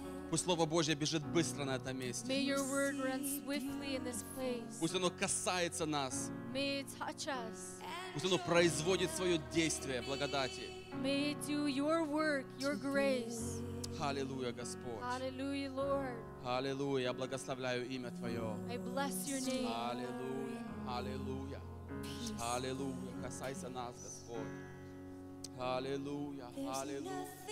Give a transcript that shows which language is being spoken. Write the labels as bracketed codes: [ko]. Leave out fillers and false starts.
[ru] Пусть Слово Божье бежит быстро на этом месте. [en] May your word run swiftly in this place. [ru] Пусть оно касается нас. [en] May it touch us. [ru] Пусть оно производит свое действие благодати. [en] May it do your work, your grace. [ru] Аллилуйя, Господь. [en] Аллилуйя, Lord. [ru] Аллилуйя, я благословляю имя Твое. [en] I bless your name. [ru] Аллилуйя, аллилуйя. Аллилуйя, касайся нас, Господь. Аллилуйя, аллилуйя, аллилуйя.